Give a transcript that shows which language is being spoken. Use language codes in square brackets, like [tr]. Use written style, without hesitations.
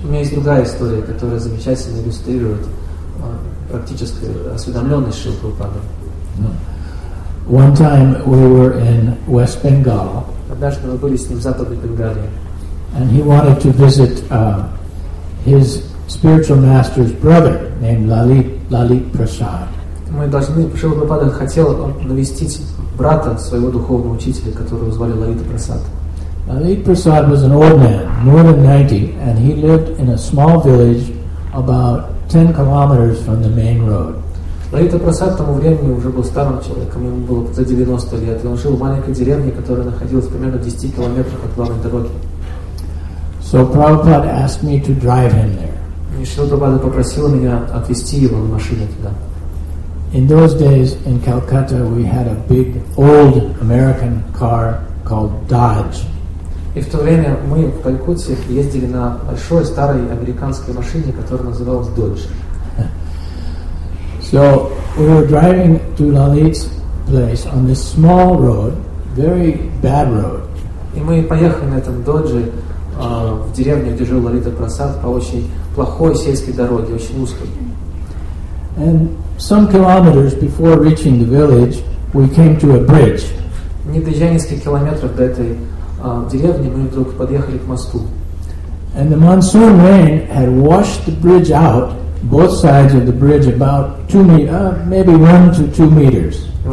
[ru] У меня есть другая история, которая замечательно иллюстрирует практическую осведомленность Шрилы Прабхупады. [en] One time we were in West Bengal. [ru] Однажды мы были с ним в Западной Бенгалии. [en] And he wanted to visit his spiritual master's brother named Lalit Prasad. [ru] Шрила Прабхупада хотел навестить брата своего духовного учителя, которого звали Лалита Прасад. [en] Lalit Prasad was an old man, more than 90, and he lived in a small village about 10 kilometers from the main road. [ru] Лалита Прасад к тому времени уже был старым человеком, ему было за 90 лет, и он жил в маленькой деревне, которая находилась примерно в 10 километрах от главной дороги. [en] So Prabhupada asked me to drive him there. [ru] И Шрила Прабхупада попросил меня отвезти его на машине туда. [en] In those days in Calcutta we had a big old American car called Dodge. [ru] И в то время мы в Калькутте ездили на большой старой американской машине, которая называлась Dodge. [en] So we were driving to Lalit's place on this small road, very bad road. [ru] И мы поехали на этом Dodge в деревню, где жил Лалита Прасад, по очень плохой сельской дороге, очень узкой. [en] And some kilometers before reaching the village, we came to a bridge. [ru] Не доезжая нескольких километров до этой деревни, мы вдруг подъехали к мосту. [en] And the monsoon rain had washed the bridge out, both sides of the bridge, about 1 to 2 meters.